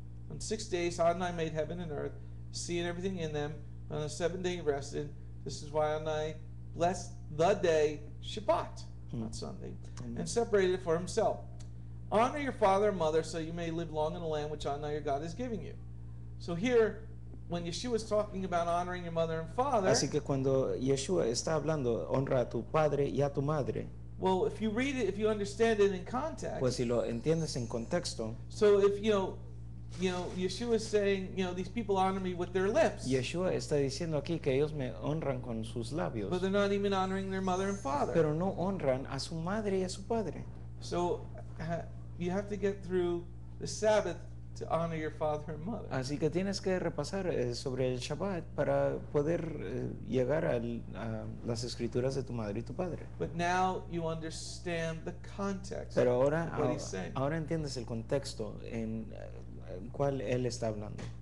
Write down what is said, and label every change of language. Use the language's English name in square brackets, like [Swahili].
[English] On 6 days, Adonai made heaven and earth, sea and everything in them, but on the seventh day he rested. This is why Adonai blessed the day, Shabbat." not Sunday, and separated it for himself. Honor your father and mother so you may live long in the land which I know your God is giving you. So here, when Yeshua is talking about honoring your mother and father, [Spanish] así que cuando Yeshua está hablando, honra a tu padre y a tu madre. [English] Well, if you read it, if you understand it in context. [Spanish] Pues si lo entiendes en contexto. [English] So if you know, Yeshua is saying, you know, these people honor me with their lips. [Spanish] Yeshua está diciendo aquí que ellos me honran con sus labios. [English] But they're not even honoring their mother and father. [Spanish] Pero no honran a su madre y a su padre. [English] So you have to get through the Sabbath to honor your father and mother. [Spanish] Así que tienes que repasar sobre el Shabbat para poder llegar a las escrituras de tu madre y tu padre. [English] But now you understand the context. [Spanish] Pero ahora, [English] what he's saying. [Spanish] Ahora entiendes el contexto en cuál él está hablando.